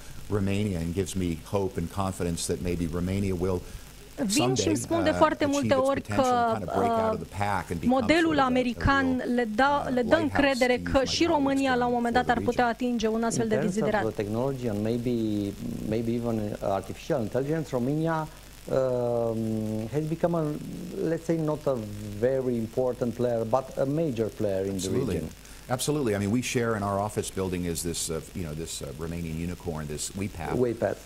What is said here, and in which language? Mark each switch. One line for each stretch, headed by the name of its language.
English: And gives me hope and confidence that maybe Romania will.
Romanian: Vin și îmi spun de foarte multe ori că modelul american le dă încredere că și România la un moment dat ar putea atinge un astfel de deziderat.
English: The technology and maybe even artificial intelligence, Romania has become not a very important player, but a major player in the region. Absolutely. I mean, we share in our office building is this, this Romanian unicorn, this WePath.